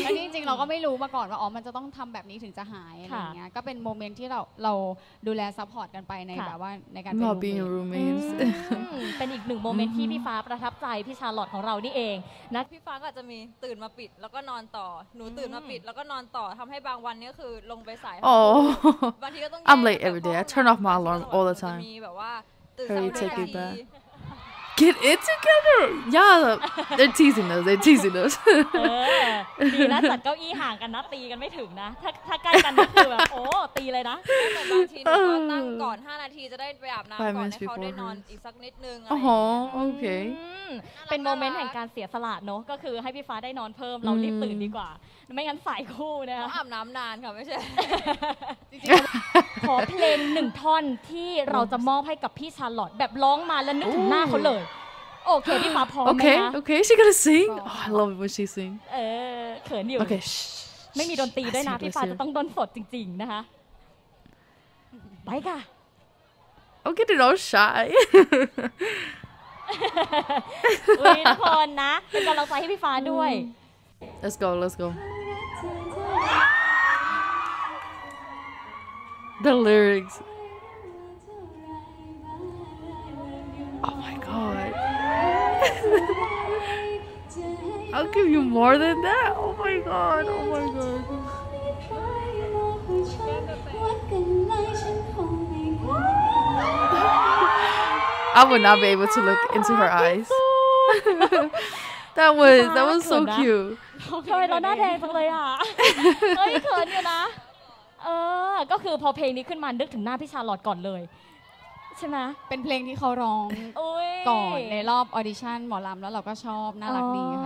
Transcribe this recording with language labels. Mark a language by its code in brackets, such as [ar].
[th] แล้วจริงๆเราก็ไม่รู้มาก่อนว่าอ๋อมันจะต้องทำแบบนี้ถึงจะหายอะไรเงี้ยก็เป็นโมเมนต์ที่เราดูแลซัพพอร์ตกันไปในแบบว่าในการ เป็นรูมเมท เป็นอีกหนึ่งโมเมนต์ที่พี่ฟ้าประทับใจพี่ชาร์ลอตของเรานี่เองนะ พี่ฟ้าก็จะมีตื่นมาปิดแล้วก็นอนต่อหนูตื่นมาปิดแล้วก็นอนต่อทำให้บางวันนี่คือลงไปสายบางทีก็ต้อง [en] I'm late every day I turn off my alarm all the time [th] มีแบบว่าตื่นสาย แบบ [en] get it together yeah they're teasing us they're teasing us [th] เออดีนะจัดเก้าอี้ห่างกันนะตีกันไม่ถึงนะถ้าใกล้กันก็คือแบบโอ้ตีเลยนะ บางทีนึกว่าตั้งก่อน5นาทีจะได้ไปอาบน้ำก่อนให้เขาได้นอนอีกสักนิดนึงอะไรอ๋อ โอเค เป็นโมเมนต์แห่งการเสียสละเนาะก็คือให้พี่ฟ้าได้นอนเพิ่มเรารีบตื่นดีกว่าไม่งั้นสายคู่นะ อาบน้ำนานค่ะไม่ใช่ขอเพลง1ท่อนที่เราจะมอบให้กับพี่ชาร์ลอตแบบร้องมาแล้วนึกถึงหน้าเขาเลยโอเคพี่ฟ้าพร้อม ไหมคะโอเคโอเค [en] she gonna sing I love it when she sing [th] เออเขินอยู่โอเค ไม่มีดนตรีด้วยนะพี่ฟ้าจะต้องดนสดจริงๆนะคะไปค่ะ [en] I'm getting all shy [th] วินพรนะเป็นกำลังใจให้พี่ฟ้าด้วย [en] Let's go let's goThe lyrics. Oh my god. I'll give you more than that. Oh my god. Oh my god. I would not be able to look into her eyes. That was so cute. [th] ทำไมเราหน้าแดงจังเลยอ่ะเฮ้ยเขินอยู่นะเออก็คือพอเพลงนี้ขึ้นมานึกถึงหน้าพี่ชาร์ลอตก่อนเลยใช่ไหม เป็นเพลงที่เขาร้องก่อนในรอบออดิชั่นหมอลำแล้วเราก็ชอบน่ารักดีค